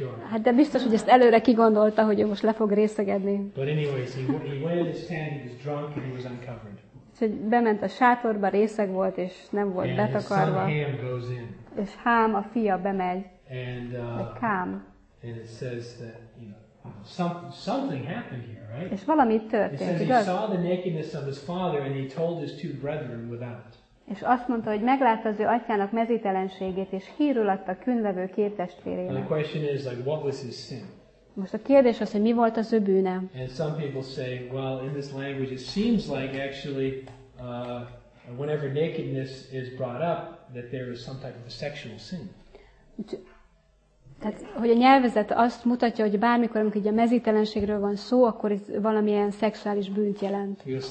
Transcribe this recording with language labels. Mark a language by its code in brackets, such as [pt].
[hu] Hát de biztos, hogy ezt előre kigondolta, hogy ő most le fog részegedni. [en] But anyways, he went in his tent, he was drunk and he was uncovered. [hu] Úgyhogy bement a sátorba, részeg volt és nem volt betakarva. És Hám, a fia bemegy. [en] And it says that, something happened here, right? [hu] És valami történt, igaz? [en] He saw the nakedness of his father and he told his two brethren without. [hu] És azt mondta, hogy meglátta az ő atyának mezítelenségét, és hírül adta különböző két testvérének. [en] And the question is, what was his sin? [hu] Most a kérdés az, hogy mi volt az ő bűne? [en] And some people say, in this language it seems like actually whenever nakedness is brought up, that there is some type of a sexual sin. [hu] Tehát, hogy a nyelvezet azt mutatja, hogy bármikor, amikor így a mezítelenségről van szó, akkor ez valamilyen szexuális bűnt jelent.